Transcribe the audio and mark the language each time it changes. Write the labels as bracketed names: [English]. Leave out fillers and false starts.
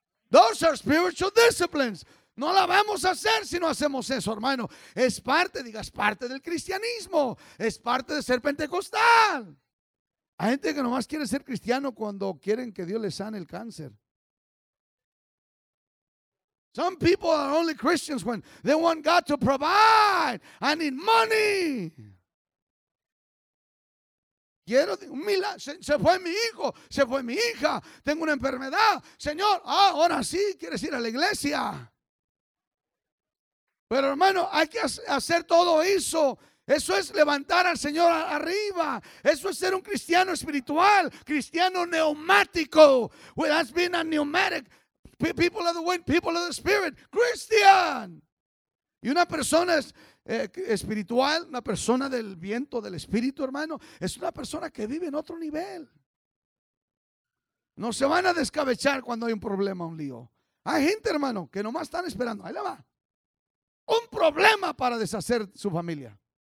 [English] Those are spiritual disciplines. [Spanish] No la vamos a hacer si no hacemos eso, hermano. Es parte, diga, es parte del cristianismo. Es parte de ser pentecostal. Hay gente que nomás quiere ser cristiano cuando quieren que Dios les sane el cáncer. [English] Some people are only Christians when they want God to provide. I need money. [Spanish] Quiero un milagro. Se fue mi hijo, se fue mi hija. Tengo una enfermedad. Señor, ahora sí, quieres ir a la iglesia. Pero hermano, hay que hacer todo eso. Eso es levantar al Señor arriba. Eso es ser un cristiano espiritual, cristiano neumático. [English] Well, that's being a pneumatic. People of the wind, people of the spirit, Christian. [Spanish] Y una persona es, espiritual, una persona del viento, del espíritu, hermano, es una persona que vive en otro nivel. No se van a descabechar cuando hay un problema, un lío. Hay gente, hermano, que nomás están esperando. Ahí la va. Un problema para deshacer su familia.